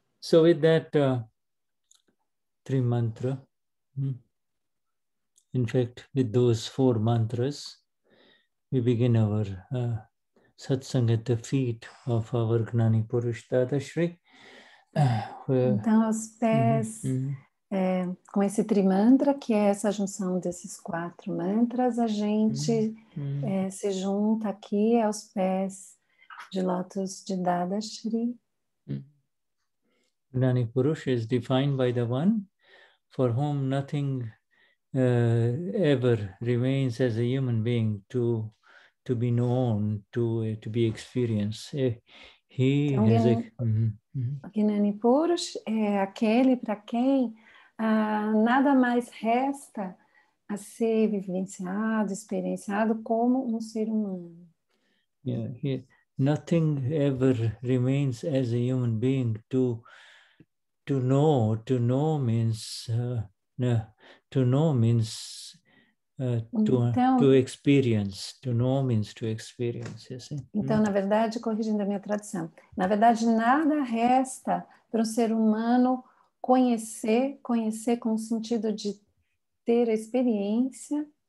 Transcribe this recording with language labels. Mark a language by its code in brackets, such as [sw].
[en] So with that three mantra, in fact, with those four mantras, we begin our satsang at the feet of our Gnani Purush Dadashri. [pt] Então, aos pés, com esse trimantra, que é essa junção desses quatro mantras, a gente se junta aqui aos pés de lótus de Dadashri. [en] Gnani Purush is defined by the one for whom nothing ever remains as a human being to be known, to be experienced. He has a... [pt] Gnani Purush é aquele para quem nada mais resta a ser vivenciado, experienciado como ser humano. [en] Yeah, nothing ever remains as a human being to know means to experience, you see? [pt] Então, na verdade, corrigindo a minha tradução, na verdade, nada resta para o ser humano conhecer com o sentido de ter a experiência.